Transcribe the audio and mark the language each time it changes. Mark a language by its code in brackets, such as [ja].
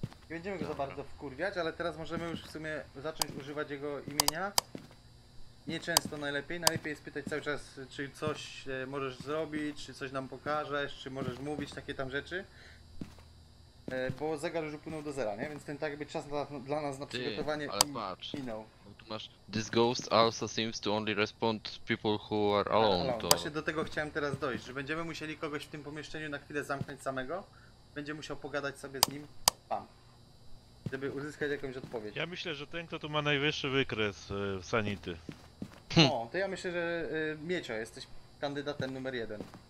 [pl] Nie będziemy go za bardzo wkurwiać, ale teraz możemy już w sumie zacząć używać jego imienia. Nieczęsto najlepiej. Najlepiej jest pytać cały czas, czy coś możesz zrobić, czy coś nam pokażesz, czy możesz mówić, takie tam rzeczy. Bo zegar już upłynął do zera, nie? Więc ten tak jakby czas dla nas na przygotowanie minął. Tu masz, [en] this ghost also seems to only respond to people who are alone. [pl] To... Właśnie do tego chciałem teraz dojść, że będziemy musieli kogoś w tym pomieszczeniu na chwilę zamknąć samego. Będzie musiał pogadać sobie z nim. Bam. Żeby uzyskać jakąś odpowiedź. Ja myślę, że ten, kto tu ma najwyższy wykres w sanity. O, to ja myślę, że Miecio, jesteś kandydatem numer jeden.